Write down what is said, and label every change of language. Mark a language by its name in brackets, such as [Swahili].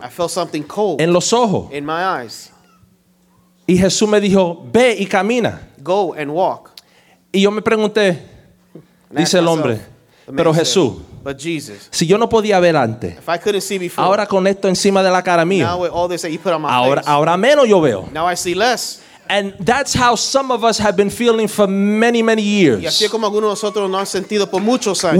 [English] I felt something cold, [Spanish] en los ojos, [English] in my eyes. [Spanish] Y Jesús me dijo, ve y camina. [English] Go and walk. [Spanish] Y yo me pregunté, dice el hombre, pero Jesús, [English] but Jesus, [Spanish] si yo no podía ver antes, [English] if I couldn't see before, [Spanish] ahora con esto encima de la cara mía, [English] now with all this that you put on my [Spanish] ahora, [English] face, [Spanish] ahora menos yo veo. [English] Now I see less. And that's how some of us have been feeling for many, many years. [Spanish] Y así es como algunos de nosotros nos han sentido por muchos años.